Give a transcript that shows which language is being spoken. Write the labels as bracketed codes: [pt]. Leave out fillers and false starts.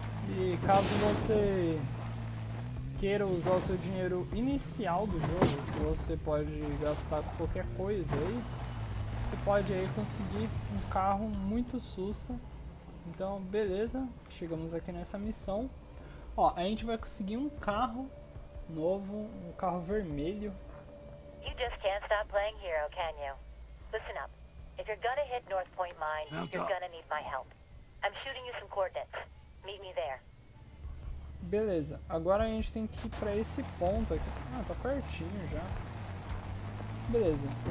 [pt] E caso você queira usar o seu dinheiro inicial do jogo, que você pode gastar com qualquer coisa aí, você pode aí conseguir um carro muito sussa. Então beleza, chegamos aqui nessa missão. Ó, a gente vai conseguir um carro novo, um carro vermelho. [en] You just can't stop playing hero, can you? Listen up. If you're gonna hit North Point Mine, you're gonna need my help. I'm shooting you some coordinates. Meet me there. [pt] Beleza, agora a gente tem que ir pra esse ponto aqui. Ah, tá pertinho já. Beleza.